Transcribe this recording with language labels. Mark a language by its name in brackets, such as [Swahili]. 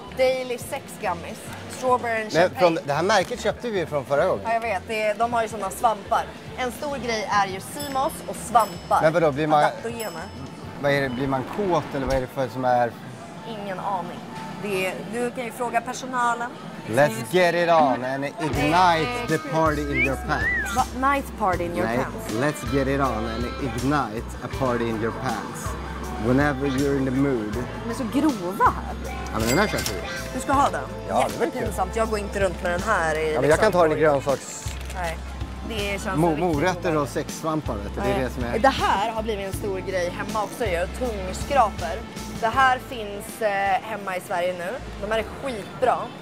[English] Daily Sex Gummies. Strawberry and champagne. [Swedish] Från det här märket köpte vi från förra gången. Ja, jag vet. De har ju såna svampar. En stor grej är ju CMOS och svampar. Men vadå? Blir man... Adaptogena. Vad är det? Blir man kåt eller vad är det för som är... Ingen aning. Du kan ju fråga personalen. [English] Let's get it on and ignite the party in your pants. What night party in your pants? Let's get it on and ignite a party in your pants. Whenever you're in the mood. [Swedish] Men så grova här. Ja, men den här känns ju. Du ska ha den? Ja, det är pinsamt. Jag går inte runt med den här. Ja, men jag kan ta den i grönsaks... Nej. Det känns morötter och sexsvampar, vet du. Det är det som är... Det här har blivit en stor grej hemma också. Jag gör tungskraper. Det här finns hemma i Sverige nu. De här är skitbra.